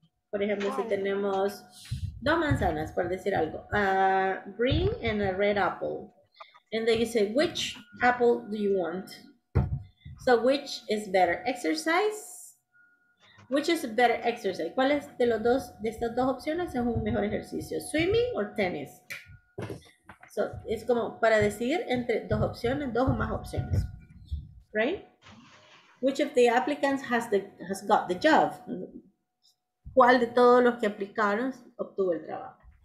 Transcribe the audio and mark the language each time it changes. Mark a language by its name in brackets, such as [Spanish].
[Spanish] Por ejemplo, si tenemos dos manzanas, por decir algo. [English] A green and a red apple. And then you say, which apple do you want? So which is better exercise? Which is a better exercise? [Spanish] ¿Cuál es de los dos, de estas dos opciones es un mejor ejercicio? [English] Swimming or tennis? [Spanish] So es como para decidir entre dos opciones, dos o más opciones. [English] Right? Which of the applicants has got the job? [Spanish] ¿Cuál de todos los que aplicaron obtuvo el trabajo?